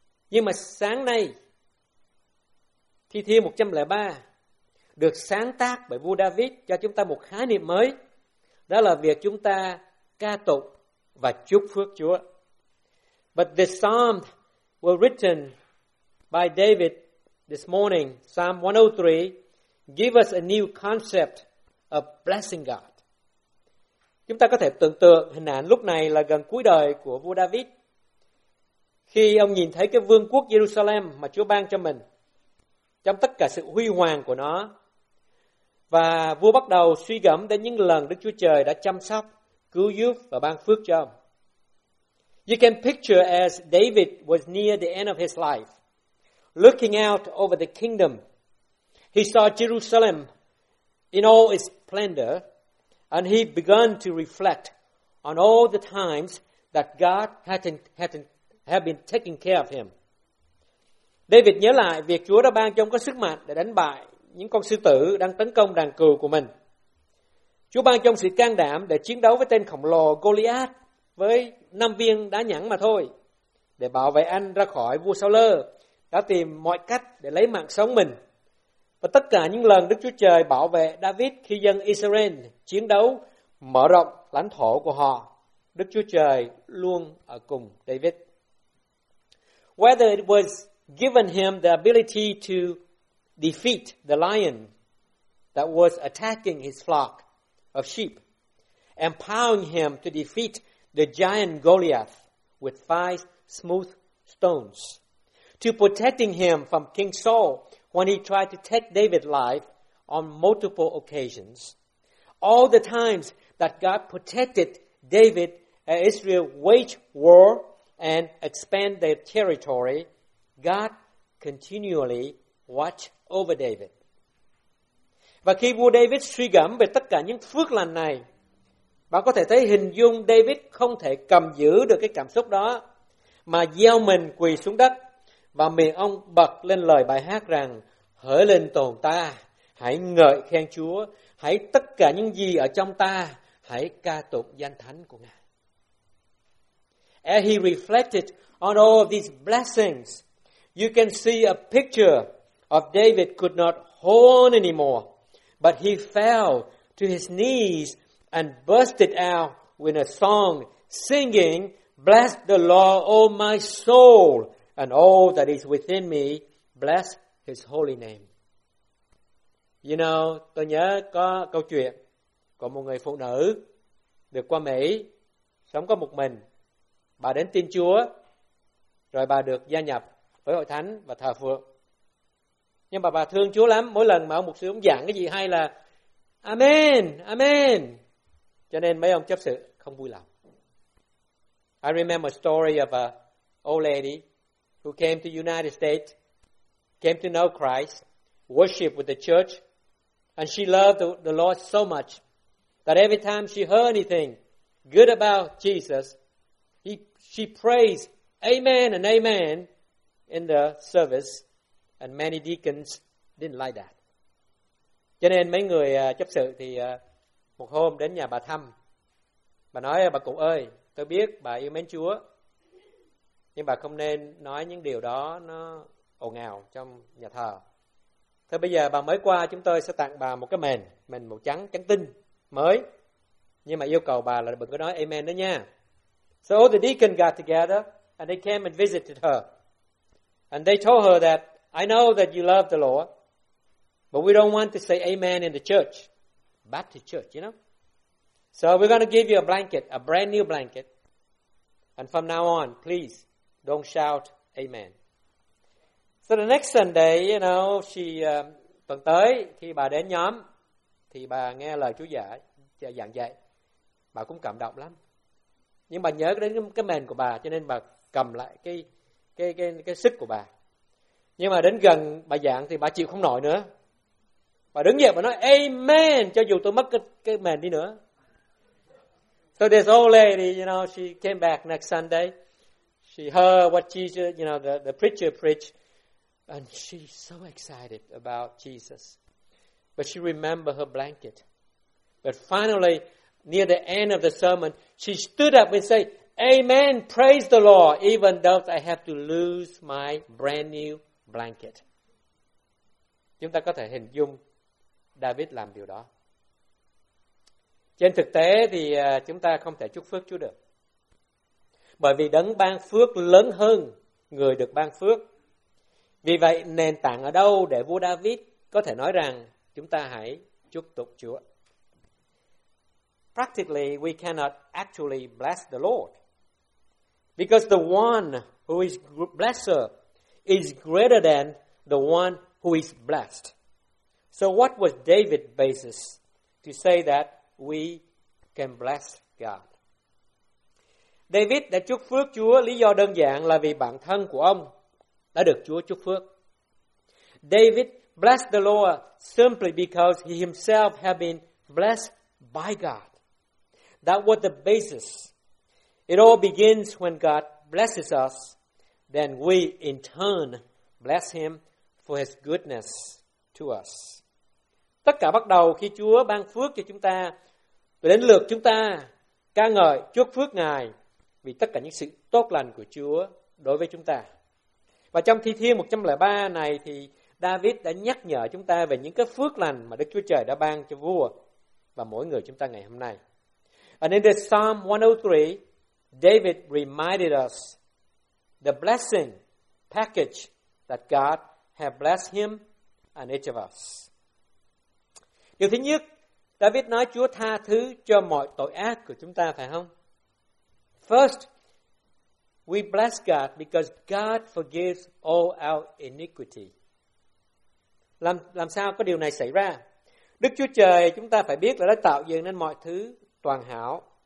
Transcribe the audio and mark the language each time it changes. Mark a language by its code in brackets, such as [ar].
[vi] Nhưng mà sáng nay, Thi Thiên 103 được sáng tác bởi vua David cho chúng ta một khái niệm mới. Đó là việc chúng ta ca tụng và chúc phước Chúa. [en] But the psalm was written by David this morning, Psalm 103, give us a new concept of blessing God. [vi] Chúng ta có thể tưởng tượng hình ảnh lúc này là gần cuối đời của vua David. Khi ông nhìn thấy cái vương quốc Jerusalem mà Chúa ban cho mình, trong tất cả sự huy hoàng của nó, và vua bắt đầu suy gẫm đến những lần Đức Chúa Trời đã chăm sóc, cứu giúp và ban phước cho ông. [en] You can picture as David was near the end of his life, looking out over the kingdom. He saw Jerusalem in all its splendor, and he began to reflect on all the times that God had been taking care of him. [vi] David nhớ lại việc Chúa đã ban cho ông có sức mạnh để đánh bại những con sư tử đang tấn công đàn cừu của mình. Chúa ban cho ông sự can đảm để chiến đấu với tên khổng lồ Goliath với 5 viên đá nhẵn mà thôi, để bảo vệ anh ra khỏi vua Saul đã tìm mọi cách để lấy mạng sống mình. Và tất cả những lần Đức Chúa Trời bảo vệ David khi dân Israel chiến đấu mở rộng lãnh thổ của họ, Đức Chúa Trời luôn ở cùng David. [en] Whether it was given him the ability to defeat the lion that was attacking his flock of sheep, empowering him to defeat the giant Goliath with 5 smooth stones, to protecting him from King Saul when he tried to take David's life on multiple occasions, all the times that God protected David as Israel waged war and expand their territory, God continually watched over David. [vi] Và khi vua David suy gẫm về tất cả những phước lành này, bạn có thể thấy hình dung David không thể cầm giữ được cái cảm xúc đó, mà gieo mình quỳ xuống đất, và miệng ông bật lên lời bài hát rằng, hỡi linh tồn ta, hãy ngợi khen Chúa, hãy tất cả những gì ở trong ta, hãy ca tụng danh thánh của Ngài. [en] As he reflected on all of these blessings, you can see a picture of David could not hold on anymore, but he fell to his knees and bursted out with a song, singing, bless the Lord, O my soul, and all that is within me, bless his holy name. You know, [vi] tôi nhớ có câu chuyện của một người phụ nữ được qua Mỹ, sống có một mình. Bà đến tin Chúa, rồi bà được gia nhập với hội thánh và thờ phượng. Nhưng mà bà thương Chúa lắm, mỗi lần mà ông mục sư ông giảng cái gì hay là Amen, Amen. Cho nên mấy ông chấp sự không vui lòng. [en] I remember a story of an old lady who came to the United States, came to know Christ, worship with the church, and she loved the Lord so much that every time she heard anything good about Jesus, she prays amen and amen in the service, and many deacons didn't like that. [vi] Cho nên mấy người chấp sự thì một hôm đến nhà bà thăm, bà nói bà cụ ơi, Tôi biết bà yêu mến Chúa, nhưng bà không nên nói những điều đó nó ồn ào trong nhà thờ. Thế bây giờ bà mới qua, chúng tôi sẽ tặng bà một cái mền màu trắng, trắng tinh, mới. Nhưng mà yêu cầu bà là đừng có nói amen đó nha. [en] So the deacon got together, and they came and visited her. And they told her that, I know that you love the Lord, but we don't want to say amen in the church. Back to church, you know? So we're going to give you a blanket, a brand new blanket. And from now on, please, don't shout amen. So the next Sunday, you know, she, [vi] tuần tới, khi bà đến nhóm, thì bà nghe lời Chúa giảng dạy. Bà cũng cảm động lắm. Nhưng bà nhớ đến cái mền của bà, cho nên bà cầm lại cái sức của bà. Nhưng mà đến gần bà giảng thì bà chịu không nổi nữa. Bà đứng dậy và nói amen cho dù tôi mất cái mền đi nữa. [en] So this old lady, you know, she came back next Sunday. She heard what Jesus, you know, the preacher preached. And she's so excited about Jesus. But she remembered her blanket. But finally, near the end of the sermon, she stood up and said, amen, praise the Lord, even though I have to lose my brand new blanket. [vi] Chúng ta có thể hình dung David làm điều đó. Trên thực tế thì chúng ta không thể chúc phước Chúa được. Bởi vì đấng ban phước lớn hơn người được ban phước. Vì vậy, nền tảng ở đâu để vua David có thể nói rằng chúng ta hãy chúc tụng Chúa? [en] Practically, we cannot actually bless the Lord. Because the one who is blesser is greater than the one who is blessed. So what was David's basis to say that we can bless God? [vi] David đã chúc phước Chúa, lý do đơn giản là vì bản thân của ông đã được Chúa chúc phước. [en] David blessed the Lord simply because he himself had been blessed by God. That was the basis. It all begins when God blesses us, then we in turn bless him for his goodness to us. [vi] Tất cả bắt đầu khi Chúa ban phước cho chúng ta, rồi đến lượt chúng ta ca ngợi chúc phước Ngài vì tất cả những sự tốt lành của Chúa đối với chúng ta. Và trong Thi Thiên 103 này thì David đã nhắc nhở chúng ta về những cái phước lành mà Đức Chúa Trời đã ban cho vua và mỗi người chúng ta ngày hôm nay. [en] And in the Psalm 103, David reminded us the blessing package that God has blessed him and each of us. [vi] Điều thứ nhất, David nói Chúa tha thứ cho mọi tội ác của chúng ta, phải không? [en] First, we bless God because God forgives all our iniquity. [vi] Làm sao có điều này xảy ra? Đức Chúa Trời chúng ta phải biết là đã tạo dựng nên mọi thứ toàn hảo.